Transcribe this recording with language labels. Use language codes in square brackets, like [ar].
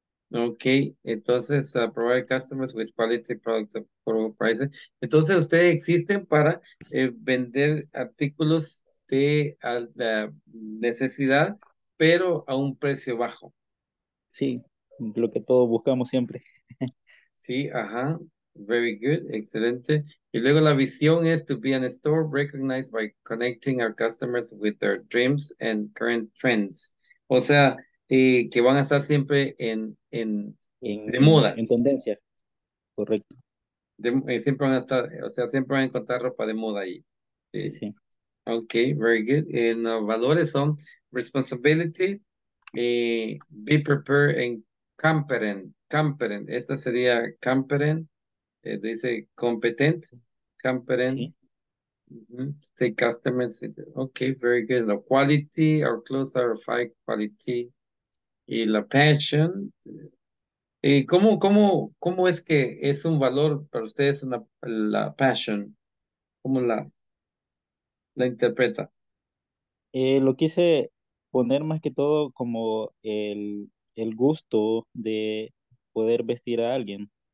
[en] Ok, entonces, provide customers with quality products at affordable prices. [es] Entonces, ustedes existen para vender artículos de la necesidad, pero a un precio bajo. Sí, lo que todos buscamos siempre. Sí, ajá. [en] Very good, [es] excelente. Y luego la visión es [en] to be in a store recognized by connecting our customers with their dreams and current trends. [es] O sea, que van a estar siempre en de moda. En tendencia, correcto. Siempre van a estar, o sea, siempre van a encontrar ropa de moda ahí. Sí. [en] Okay, very good. And [es] valores son [en] responsibility, be prepared and competent. [es] Esta sería competent. Dice competent, competent, sí. [en] Say customer center. Okay, very good. The quality, our clothes are of high quality. [es] Y la passion. ¿Cómo es que es un valor para ustedes la passion? ¿Cómo la interpreta? Lo quise poner más que todo como el gusto de poder vestir a alguien.